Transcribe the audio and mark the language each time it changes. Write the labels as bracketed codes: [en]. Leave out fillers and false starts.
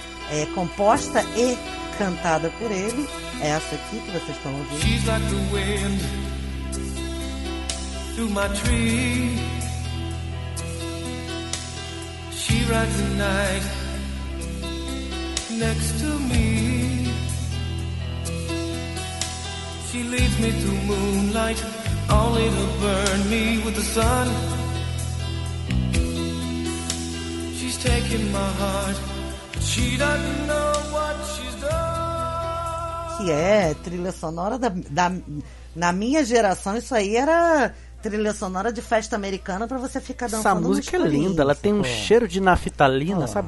[pt] É composta e cantada por ele. É essa aqui que vocês estão ouvindo. [en] She's like the wind through my tree. She rides the night next to me. She leads me through moonlight. Only to burn me with the sun. She's taking my heart. She doesn't know what she's done. [pt] Que é trilha sonora da na minha geração, isso aí era trilha sonora de festa americana pra você ficar dançando. Essa música é linda, ela tem um cheiro de naftalina, sabe?